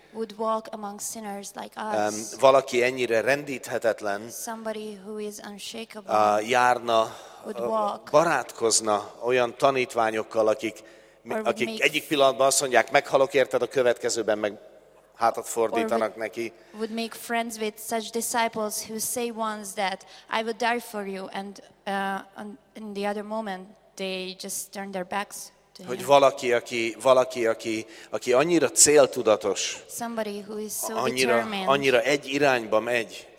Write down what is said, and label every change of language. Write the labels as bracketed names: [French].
[English] would walk among sinners like us. [Hungarian] Valaki ennyire rendíthetetlen, [English] somebody who is unshakable, [Hungarian] járna, [English] would walk, [Hungarian] barátkozna olyan tanítványokkal, akik egyik pillanatban azt mondják, meghalok érted, a következőben meg hátat fordítanak neki. [English] Would make friends with such disciples who say once that I would die for you and in the other moment they just turn their backs to him. [Hungarian] Hogy valaki aki annyira céltudatos. [English] Somebody who is so [Hungarian] annyira [English] determined, [Hungarian] annyira egy irányba megy.